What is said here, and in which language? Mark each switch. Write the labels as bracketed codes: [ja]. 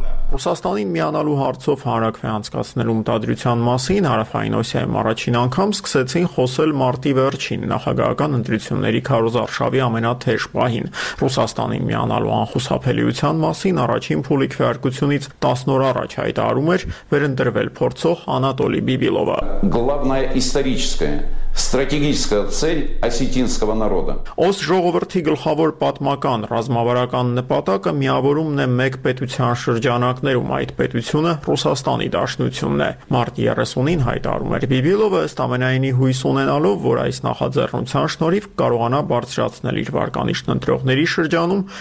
[hy] Ռուսաստանին միանալու հարցով հանրաքվե անցկացնելու մտադրության մասին Հարավային Օսիայում առաջին անգամ սկսեցին խոսել մարտի վերջին, նախագահական ընտրությունների քարոզարշավի ամենաթեժ պահին։ Ռուսաստանին միանալու անխուսափելիության մասին առաջին փուլի քվեարկությունից 10 օր առաջ հայտարարում էր վերընտրվել փորձող Անատոլի Բիբիլովը։ [ru] Главная историческая стратегическая цель осетинского народа. [hy] Ոս ժողովրդի գլխավոր պատմական ռազմավարական նպատակը միավորումն է մեկ պետության շրջանակներում, այդ պետությունը Ռուսաստանի Դաշնությունն է, մարտի 30-ին հայտարարում էր Բիբիլովը, ըստ ամենայնի հույս ունենալով, որ այս նախաձեռնության շնորհիվ կարողանա բարձրացնել իր վարկանիշն ընտրողների շրջանում,